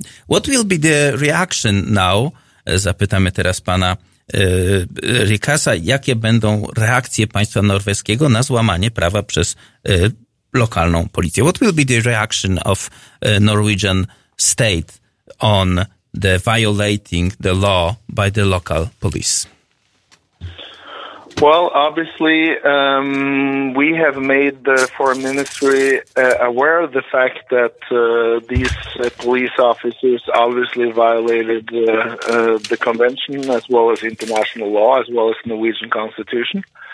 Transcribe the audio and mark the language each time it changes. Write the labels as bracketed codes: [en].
[en] What will be the reaction now? [pl] Zapytamy teraz pana Rikasa, jakie będą reakcje państwa norweskiego na złamanie prawa przez lokalną policję. [en] What will be the reaction of Norwegian state on the violating the law by the local police? Well, obviously, we have made the foreign ministry aware of the fact that these police officers obviously violated the convention, as well as international law, as well as Norwegian constitution.